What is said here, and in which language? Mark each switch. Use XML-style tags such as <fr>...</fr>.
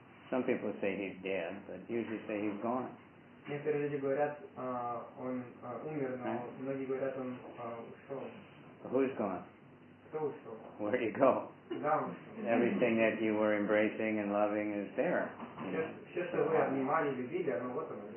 <en>Some people say he's dead, but usually say he's gone.</en> <ru>Некоторые люди говорят, он умер, но многие говорят, он ушел.</ru> <en>Who's gone?</en> <ru>Кто ушел?</ru> <en>Where do you go? Everything that you were embracing and loving is there.</en> <ru>Все, что вы обнимали, любили, оно вот оно.</ru>